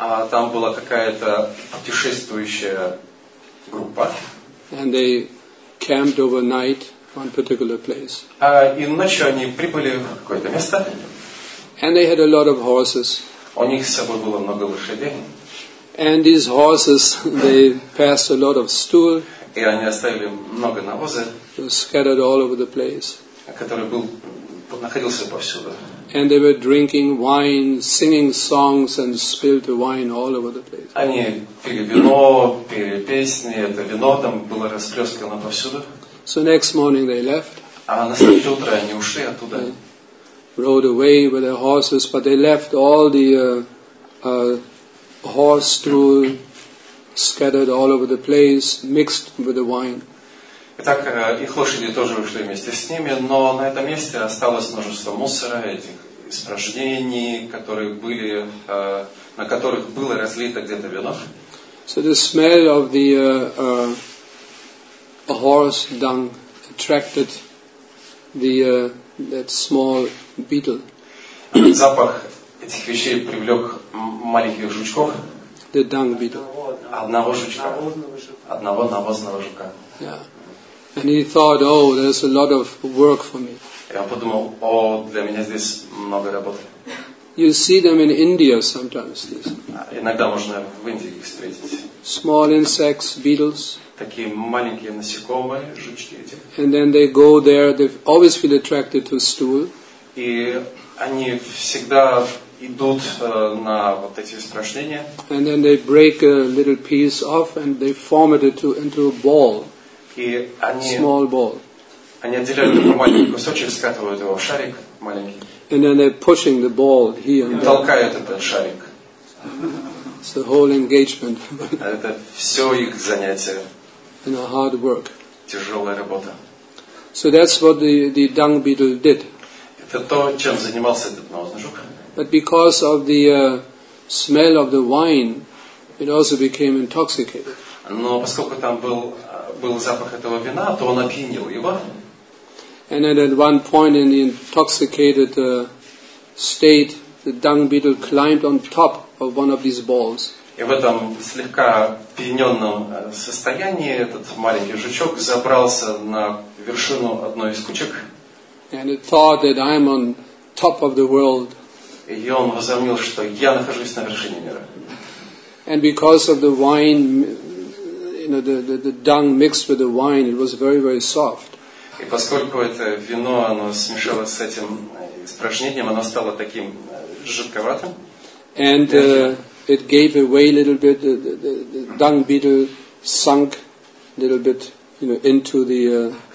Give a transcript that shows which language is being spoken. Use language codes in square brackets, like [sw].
[ru] Там была какая-то путешествующая группа. [en] And they camped overnight on particular place. [ru] И ночью они прибыли в какое-то место. [en] And they had a lot of horses. [ru] У них с собой было много лошадей. [en] And these horses, they passed a lot of stool. [ru] И они оставили много навоза. [en] It was scattered all over the place. [ru] Который был находился повсюду. [en] And they were drinking wine, singing songs, and spilled the wine all over the place. [ru] Они пили вино, пели песни, это вино там было расплескано повсюду. [en] So next morning they left. [ru] А на следующее утро они ушли оттуда. [en] They rode away with their horses, but they left all the horse stool scattered all over the place, mixed with the wine. [ru] Итак, их лошади тоже ушли вместе с ними, но на этом месте осталось множество мусора, этих испражнений, которые были, на которых было разлито где-то вино. [en] So the smell of the horse dung attracted the that small beetle. [ru] Запах этих вещей привлек маленьких жучков. [en] The dung beetle. [ru] Одного жучка. Одного навозного жука. [en] Yeah. And he thought, oh, there's a lot of work for me. [ru] Я подумал, о, для меня здесь много работы. [en] You see them in India sometimes. These. [ru] Иногда можно в Индии их встретить. [en] Small insects, beetles. [ru] Такие маленькие насекомые, жучки эти. [en] And then they go there, they always feel attracted to stool. [ru] И они всегда идут на вот эти испражнения. [en] And then they break a little piece off and they form it into a ball. [ru] И они, [en] small ball. [ru] Они отделяют такой маленький кусочек, скатывают его в шарик маленький. [en] And then they're pushing the ball here. [ru] И толкают этот шарик. [en] It's the whole engagement. [ru] Это все их занятие. [en] And a hard work. [ru] Тяжелая работа. [en] So that's what the dung beetle did. [ru] Это то, чем занимался этот навозный жук. [en] But because of the smell of the wine, it also became intoxicated. [ru] Но поскольку там был запах этого вина, то он опьянил его. [en] And then at one point in the intoxicated state, the dung beetle climbed on top of one of these balls. [ru] И в этом слегка опьяненном состоянии этот маленький жучок забрался на вершину одной из кучек. [en] And it thought that I'm on top of the world. [ru] И он возомнил, что я нахожусь на вершине мира. [en] And because of the wine, you know, the dung mixed with the wine, it was very, very soft. [ru] И поскольку это вино, оно смешалось с этим испражнением, оно стало таким жидковатым. [en] And it gave away a little bit, the dung beetle sunk a little bit, you know, into the